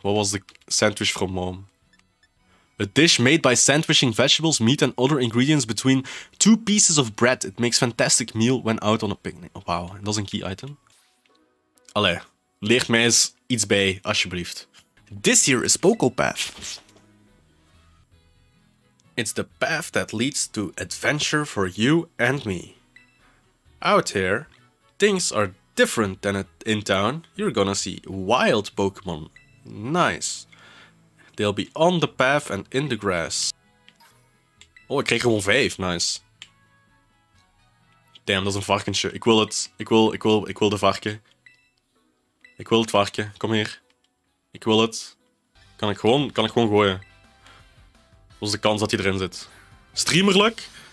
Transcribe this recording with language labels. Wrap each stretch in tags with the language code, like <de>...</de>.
<nl>Wat was de</nl> <en>sandwich from mom? A dish made by sandwiching vegetables, meat and other ingredients between two pieces of bread. It makes fantastic meal when out on a picnic.</en> <nl>Oh, wauw. Dat is een key item. Allee. Leer mij eens iets bij, alsjeblieft.</nl> <en>This here is Pokopath. It's the path that leads to adventure for you and me. Out here, things are different than in town. You're gonna see wild Pokemon. Nice. They'll be on the path and in the grass.</en> <nl>Oh, ik kreeg gewoon 5. Nice. Damn, dat is een varkensje. Ik wil het. Ik wil de varken. Ik wil het varken. Kom hier. Ik wil het. Kan ik gewoon gooien? Dat is de kans dat hij erin zit. Streamerluck.</nl>